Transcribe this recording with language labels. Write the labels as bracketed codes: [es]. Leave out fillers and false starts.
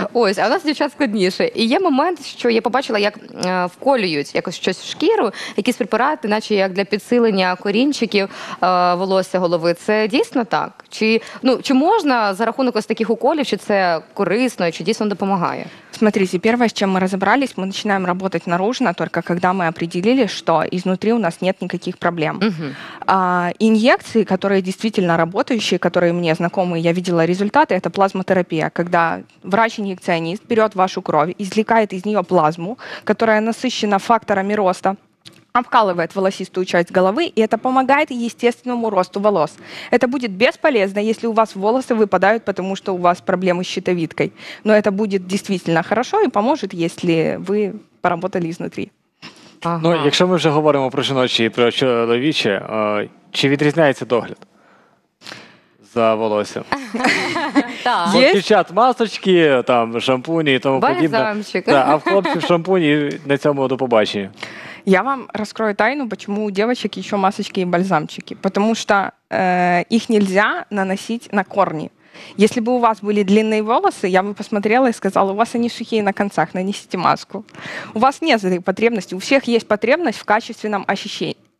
[uk] Ось, а у нас дівчат складніше. І є момент, що я побачила, як вколюють якось щось в шкіру, якісь препарати, наче як для підсилення корінчиків волосся голови. Це дійсно так? Чи можна за рахунок ось таких уколів, чи це корисно, чи дійсно допомагає? [ru] Смотрите, первое, с чем мы разобрались, мы начинаем работать наружно, только когда мы определили, что изнутри у нас нет никаких проблем. Uh-huh. Инъекции, которые действительно работающие, которые мне знакомы, я видела результаты, это плазмотерапия, когда врач-инъекционист берет вашу кровь, извлекает из нее плазму, которая насыщена факторами роста, обкалывает волосистую часть головы, и это помогает естественному росту волос. Это будет бесполезно, если у вас волосы выпадают, потому что у вас проблемы с щитовидкой. Но это будет действительно хорошо и поможет, если вы поработали изнутри. Ага. [uk] Ну, [ru] если мы уже говорим [uk] про жіночі и про чоловічі, чи відрізняється догляд за волоссям? Дівчат масочки, там, шампуні і тому подібне. Бальзамчик. Да, а в хлопців шампуні на цьому до побачення. [ru] Я вам раскрою тайну, почему у девочек еще масочки и бальзамчики. Потому что их нельзя наносить на корни. Если бы у вас были длинные волосы, я бы посмотрела и сказала, у вас они сухие на концах, нанесите маску. У вас нет этой потребности. У всех есть потребность в качественном очищении.